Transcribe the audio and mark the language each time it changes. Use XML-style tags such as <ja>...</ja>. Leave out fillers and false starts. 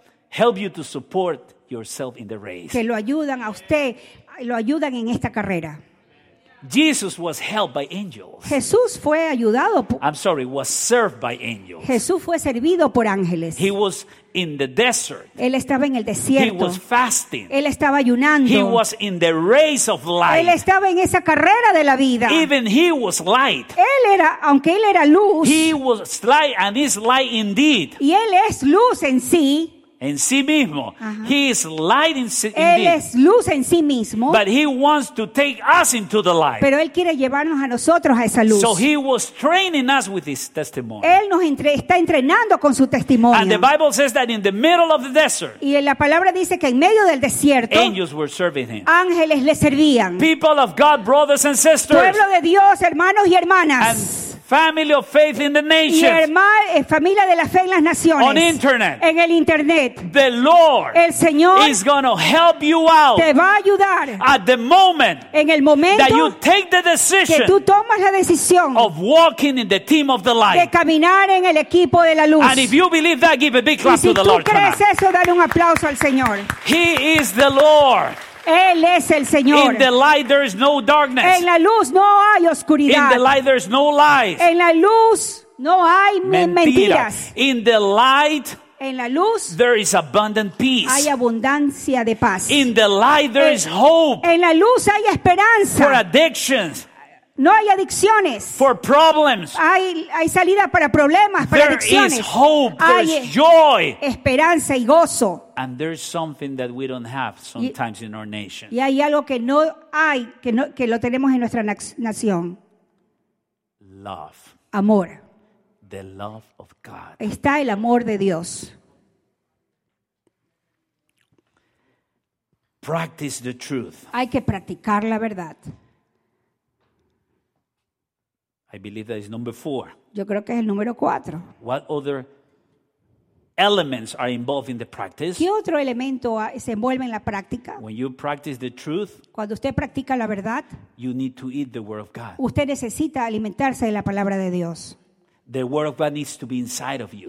<en>Help you to support yourself in the race.</en> <es>Que lo ayudan a usted, lo ayudan en esta carrera.</es> <en>Jesus was helped by angels.</en> <es>Jesús fue ayudado.</es> <en>Was served by angels.</en> <es>Jesús fue servido por ángeles.</es> <en>He was in the desert.</en> <es>Él estaba en el desierto.</es> <en>He was fasting.</en> <es>Él estaba ayunando.</es> <en>He was in the race of light.</en> <es>Él estaba en esa carrera de la vida.</es> <en>Even he was light.</en> <es>Él era, aunque él era luz.</es> <en>He was light and is light indeed.</en> <es>Y él es luz en sí. en sí mismo.</es> <en>He is light in</en> <es>sí. Él es luz en sí mismo.</es> <en>But he wants to take us into the light.</en> <es>Pero él quiere llevarnos a nosotros a esa luz.</es> <en>So he was training us with his testimony.</en> <es>Él nos está entrenando con su testimonio.</es> <en>And the Bible says that in the middle of the desert.</en> <es>Y la palabra dice que en medio del desierto.</es> <en>Angels were serving him.</en> <es>Ángeles le servían.</es> <en>People of God, brothers and sisters.</en> <es>Pueblo de Dios, hermanos y hermanas.</es> <en>And family of faith in the nations.</en> <es>Y hermana, familia de la fe en las naciones.</es> <en>On internet.</en> <es>En el internet.</es> <en>The Lord.</en> <es>El Señor.</es> <en>Is going to help you out.</en> <es>Te va a ayudar.</es> <en>At the moment.</en> <es>En el momento.</es> <en>That you take the decision.</en> <es>Que tú tomas la decisión.</es> <en>Of walking in the team of the light.</en> <es>De caminar en el equipo de la luz.</es> <en>And if you believe that, give a big clap</en> <es>si</es> <en>to the Lord.</en> <es>Si tú crees eso, dale un aplauso al Señor.</es> <en>He is the Lord.</en> <es>Él es el Señor.</es> <en>In the light there is no darkness.</en> <es>En la luz no hay oscuridad.</es> <en>In the light there is no lies.</en> <es>En la luz no hay</es> <en>mentiras. In the light,</en> <es>en la luz,</es> <en>there is abundant peace.</en> <es>Hay abundancia de paz.</es> <en>In the light there is hope.</en> <es>En la luz hay esperanza.</es> <en>For addictions.</en> <es>No hay adicciones.</es> <en>For problems.</en> <es>Hay salida para problemas, para</es> <en>there</en> <es>adicciones.</es> <en>Is hope,</en> <es>hay</es> <en>joy.</en> <es>Esperanza y gozo.</es> <en>And there's something that we don't have sometimes in our nation.</en> <es>Y hay algo que no hay, que lo tenemos en nuestra nación.</es> <en>Love.</en> <es>Amor.</es> <en>The love of God.</en> <es>Está el amor de Dios.</es> <en>Practice the truth.</en> <es>Hay que practicar la verdad.</es> <en>I believe that is number 4.</en> <es>Yo creo que es el número 4.</es> <en>What other elements are involved in the practice?</en> <es>¿Qué otro elemento se envuelve en la práctica?</es> <en>When you practice the truth,</en> <es>cuando usted practica la verdad,</es> <en>you need to eat the word of God.</en> <es>Usted necesita alimentarse de la palabra de Dios.</es> <en>The word of God needs to be inside of you.</en>